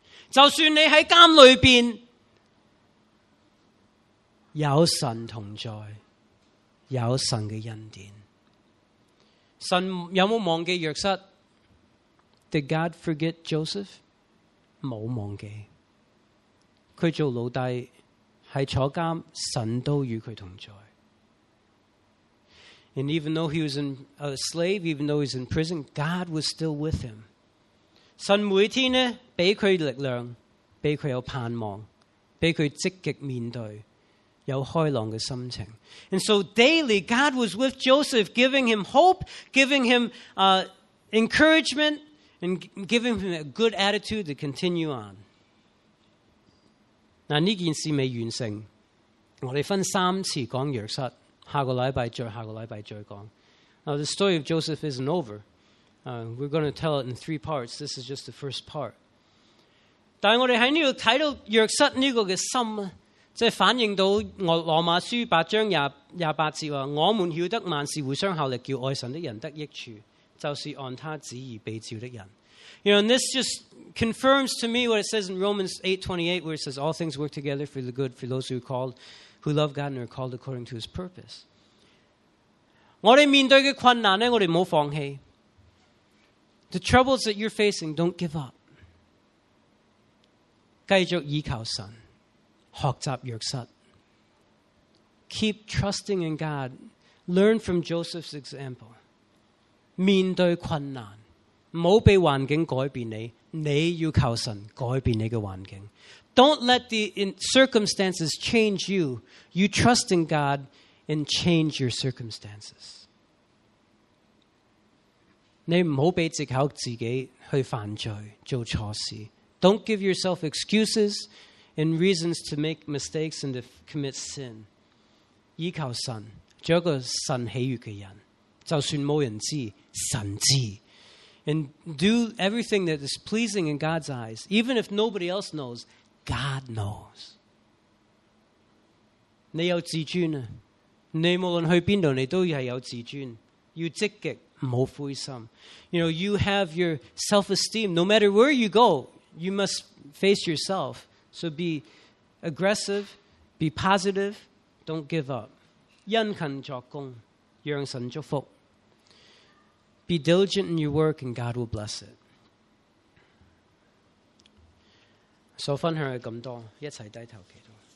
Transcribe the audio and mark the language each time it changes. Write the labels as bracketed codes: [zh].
[zh] 就算你在监里面有神同在，有神的恩典，神有没有忘记约瑟？ [en] Did God forget Joseph? [zh] 没有忘记。他做奴隶是坐监，神都与他同在。 [en] And even though he was in a slave, even though he was in prison, God was still with him. [zh] 神每天呢，给他力量，给他有盼望，给他积极面对，有开朗的心情。 [en] And so daily, God was with Joseph, giving him hope, giving him encouragement, and giving him a good attitude to continue on. [zh] 那这件事未完成，我们分三次讲约瑟，下个礼拜再，下个礼拜再讲。 [en] Now the story of Joseph isn't over. We're going to tell it in three parts. This is just the first part. [zh] 但我们在这里看到约瑟这个的心，即反映到我罗马书八章二八节，我们晓得万事互相效力，叫爱神的人得益处，就是按他旨意被召的人。 [en] You know, and this just confirms to me what it says in Romans 8:28, where it says, all things work together for the good for those who love God and are called according to his purpose. [zh] 我们面对的困难呢，我们不要放弃。 [en] The troubles that you're facing, don't give up. [zh] 继续依靠神，学习约瑟。 [en] Keep trusting in God. Learn from Joseph's example. [zh] 面对困难，不要被环境改变你，你要靠神改变你的环境。 [en] Don't let the circumstances change you. You trust in God and change your circumstances. [zh] 你不要被藉口自己去犯罪，做错事。 [en] Don't give yourself excuses and reasons to make mistakes and to commit sin. [zh] 依靠神，做一个神喜悦的人，就算没人知，神知。 [en] And do everything that is pleasing in God's eyes. Even if nobody else knows, God knows. [zh] 你有自尊，你无论去哪里，你都是有自尊。要积极，不要灰心。 [en] You know, you have your self-esteem. No matter where you go, you must face yourself. So be aggressive, be positive, don't give up. [zh] 殷勤作工，让神祝福。 [en] be diligent in your work and God will bless it. [zh] 所分享的这么多，一起低头祈祷。